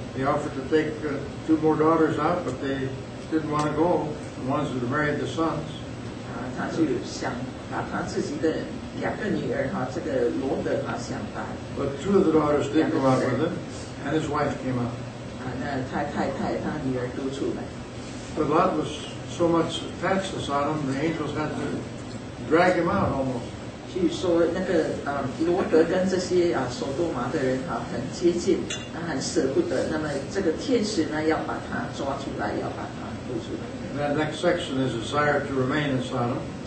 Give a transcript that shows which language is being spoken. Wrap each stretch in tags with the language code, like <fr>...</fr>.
<en>He offered to take two more daughters out, but they didn't want to go. The ones that married the sons.</en> <zh>他就想把他自己的 两个女儿,这个罗德想法,</zh> <en>but two of the daughters did go out with him, and his wife came out.</en> <zh>那太太,他女儿都出来。</zh> <en>But Lot was so much attached to Sodom, the angels had to drag him out almost.</en> <zh>据说罗德跟这些所多玛的人很接近,很舍不得,那么这个天使要把他抓出来,要把他抱出来。</zh> <en>That next section is a desire to remain in Sodom.</en>